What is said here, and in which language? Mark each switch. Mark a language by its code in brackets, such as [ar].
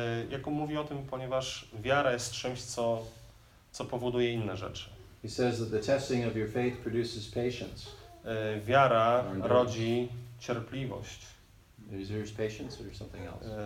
[pl] Jakub mówi o tym, ponieważ wiara jest czymś, co powoduje inne rzeczy. [en] He says that the testing of your faith produces patience. [pl] Wiara rodzi cierpliwość. [en] Is there patience or something else?